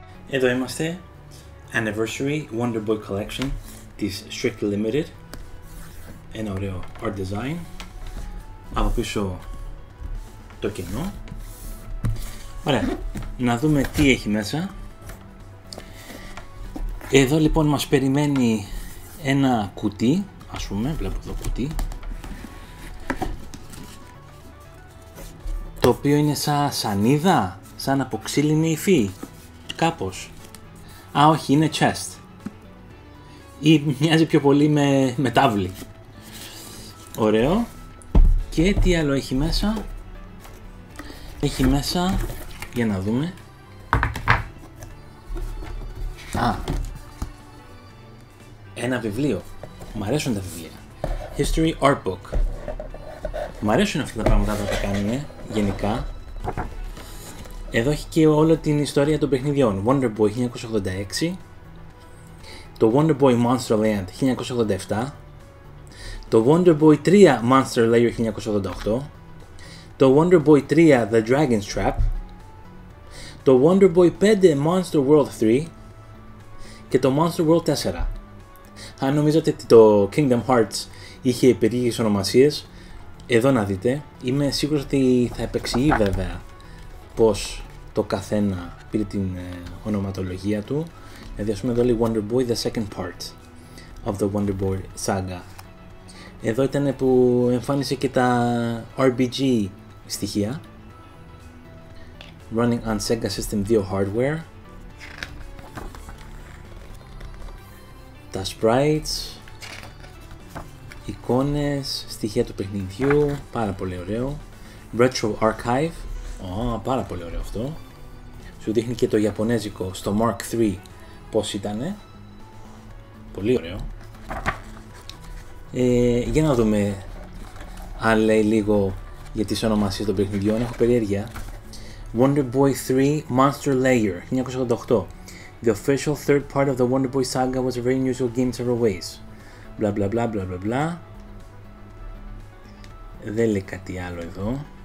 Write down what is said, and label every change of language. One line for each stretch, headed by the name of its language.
Greek: Εδώ είμαστε, Anniversary Wonder Boy Collection της Strictly Limited. Ένα ωραίο art design. Από πίσω το κενό. Ωραία, να δούμε τι έχει μέσα. Εδώ λοιπόν μας περιμένει ένα κουτί, ας πούμε, βλέπω εδώ κουτί, το οποίο είναι σαν σανίδα, σαν από ξύλινη υφή, κάπως. Α, όχι, είναι chest. Ή μοιάζει πιο πολύ με τάβλη. Ωραίο. Και τι άλλο έχει μέσα? Έχει μέσα, για να δούμε. Α, ένα βιβλίο. Μ' αρέσουν τα βιβλία.
English: History Art Book.
Greek: Μ' αρέσουν αυτά τα πράγματα που τα κάνουμε, γενικά. Εδώ έχει και όλη την ιστορία των παιχνιδιών. Wonder Boy 1986, το Wonder Boy Monster Land 1987, το Wonder Boy 3 Monster Lair 1988, το Wonder Boy 3 The Dragon's Trap, το Wonder Boy 5 Monster World 3 και το Monster World 4. Αν νομίζατε ότι το Kingdom Hearts είχε περίεργες ονομασίες, εδώ να δείτε. Είμαι σίγουρος ότι θα επεξηγεί βέβαια πως το καθένα πήρε την ονοματολογία του. Δηλαδή, ας πούμε εδώ λέει Wonder Boy,
English: the second part of the Wonder Boy saga.
Greek: Εδώ ήταν που εμφάνισε και τα RPG στοιχεία.
English: Running on Sega System 2 hardware.
Greek: Τα sprites. Εικόνες, στοιχεία του παιχνιδιού, πάρα πολύ ωραίο. Retro Archive. Πάρα πολύ ωραίο αυτό. Σου δείχνει και το Ιαπωνέζικο στο Mark 3 πως ήτανε. Πολύ ωραίο. Για να δούμε αν λέει λίγο για τις ονομασίες των παιχνιδιών. Έχω περιέργεια. Wonder Boy 3 Monster Lair 1988.
English: The official third part of the Wonder Boy saga was a very unusual game several ways. Bla bla bla bla bla bla.
Greek: Δεν λέει κάτι άλλο εδώ.